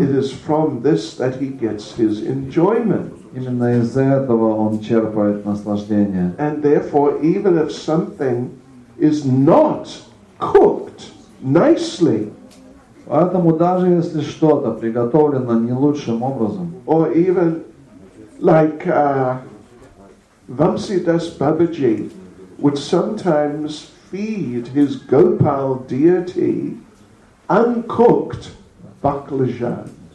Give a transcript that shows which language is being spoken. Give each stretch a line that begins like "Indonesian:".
English: It is from this that he gets his enjoyment.
Russian: Именно из этого он черпает наслаждение.
English: And therefore, even if something is not cooked nicely,
Russian: поэтому даже если что-то приготовлено не лучшим образом,
English: or even like Vamsidas Babaji would sometimes feed his Gopal deity uncooked baklajan.